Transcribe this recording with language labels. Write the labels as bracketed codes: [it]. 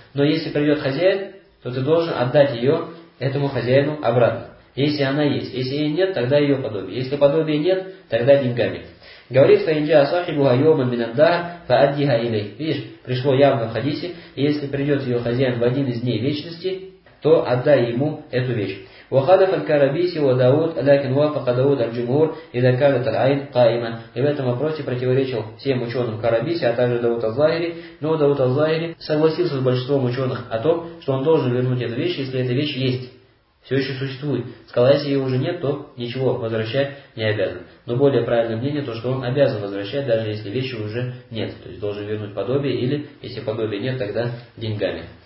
[ru] Но если придет хозяин, то ты должен отдать ее этому хозяину обратно. Если она есть. Если ее нет, тогда ее подобие. Если подобия нет, тогда деньгами. Говорит, что [ar] инджа асахибу айома минанда фа аддиха илей. [ru] Видишь, пришло явно в хадисе. Если придет ее хозяин в один из дней вечности, то отдай ему эту вещь. [ar] وخالف الكربيسي وداود لكن وافق داود الجمهور إذا كانت العين قائمة. [ru] И в этом вопросе противоречил всем ученым Карабиси, а также Дауд аз-Захири. Но Дауд аз-Захири согласился с большинством ученых о том, что он должен вернуть эту вещь, если эта вещь есть, все еще существует. Сказал, если ее уже нет, то ничего возвращать не обязан. Но более правильное мнение то, что он обязан возвращать, даже если вещи уже нет, то есть должен вернуть подобие, или если подобия нет, тогда деньгами.